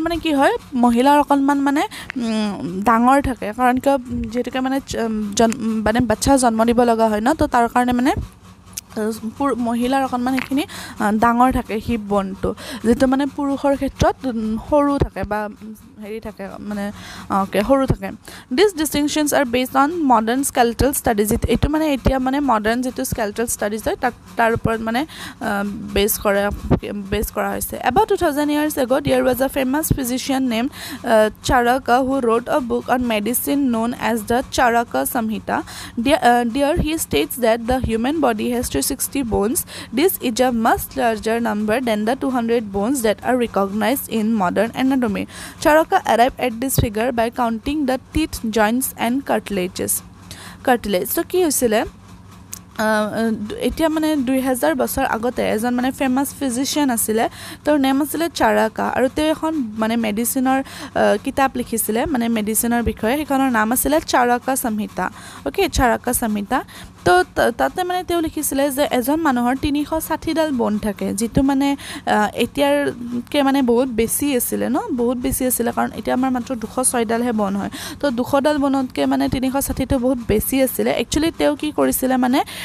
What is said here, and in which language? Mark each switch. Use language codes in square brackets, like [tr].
[as] ইয়াত মানে কি হয় মহিলাৰ অকণমান মানে ডাঙৰ থাকে কাৰণ কিয় যিহেতুকে মানে মানে বাচ্চা জন্ম দিব লগা হয় ন তো তাৰ কাৰণে মানে মহিলাৰ অকণমান সেইখিনি ডাঙৰ থাকে হিপ বনটো যিটো মানে পুৰুষৰ ক্ষেত্ৰত সৰু থাকে বা হেৰি থাকে মানে অ'কে সৰু থাকে [en] this distinctions are based on modern skeletal studies [as] এইটো মানে এতিয়া মানে মডাৰ্ণ যিটো স্কেলেটেল ষ্টাডিজ হয় তাক তাৰ ওপৰত মানে বেছ কৰা হৈছে [en] About 2000 years ago' there was a famous physician name Charaka who wrote a book on medicine known as the Charaka Samhita there he states that the human body has 260 bones. This is a much larger number than the 200 bones that are recognized in modern anatomy. Charaka arrived at this figure by counting the teeth, joints and cartilages. So, what is it? [as] এতিয়া মানে 2000 বছৰ আগতে এজন মানে famous physician আছিলে তেওঁৰ name আছিলে চাৰাকা আৰু তেওঁ এখন মানে মেডিচিনৰ কিতাপ লিখিছিলে মানে মেডিচিনৰ বিষয়ে সেইখনৰ নাম আছিলে চাৰাকা সংহিতা অ'কে চাৰাকা সংহিতা তো তাতে মানে তেওঁ লিখিছিলে যে এজন মানুহৰ 360 বন থাকে যিটো মানে এতিয়াৰকৈ মানে বহুত বেছি আছিলে ন বহুত বেছি আছিলে কাৰণ এতিয়া আমাৰ মাত্ৰ 206 বন হয় তো 200 বনতকৈ মানে 360 বহুত বেছি আছিলে একচুৱেলি তেওঁ কি কৰিছিলে মানে